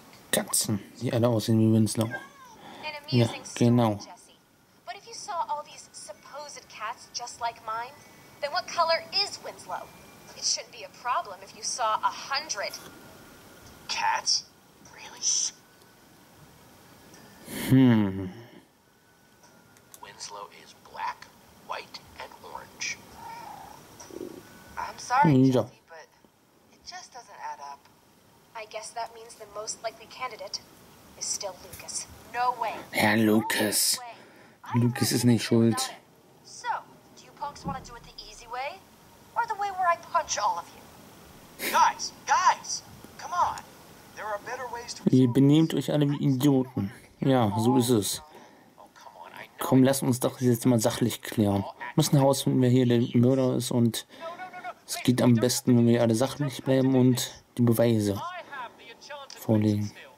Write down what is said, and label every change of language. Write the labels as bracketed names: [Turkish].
[German] Katzen, die alle aussehen wie Winslow. Ja, genau. [English] But if you saw all these supposed cats just like mine, then what color is Winslow? It shouldn't be a problem if you saw 100 cats? Really? Winslow is black, white, and orange. I'm sorry, Jesse, but it just doesn't add up. I guess that means the most likely candidate is still Lucas. No way. [German] Herr Lucas. Lucas ist nicht schuld. [English] So, do you punks want to do it the easy way? Or the way where I punch all of you? Guys, guys, come on. There are better ways to... [German] Ihr benehmt euch alle wie Idioten. Ja, so ist es. Komm, lass uns doch jetzt mal sachlich klären. Wir müssen herausfinden, wer hier der Mörder ist, und es geht am besten, wenn wir alle sachlich bleiben und die Beweise vorlegen.